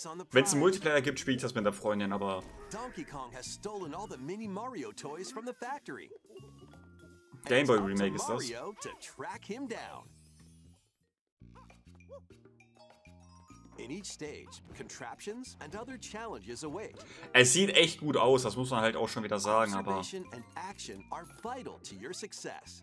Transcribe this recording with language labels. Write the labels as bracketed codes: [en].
[de] Wenn es einen Multiplayer gibt, spiele ich das mit der Freundin, aber... [en] Donkey Kong has stolen all the mini Mario toys from the factory. [de] Game Boy Remake ist das. [en] To track him down. In each stage, contraptions and other challenges await. [de] Es sieht echt gut aus, das muss man halt auch schon wieder sagen, aber... [en] Observation and action are vital to your success.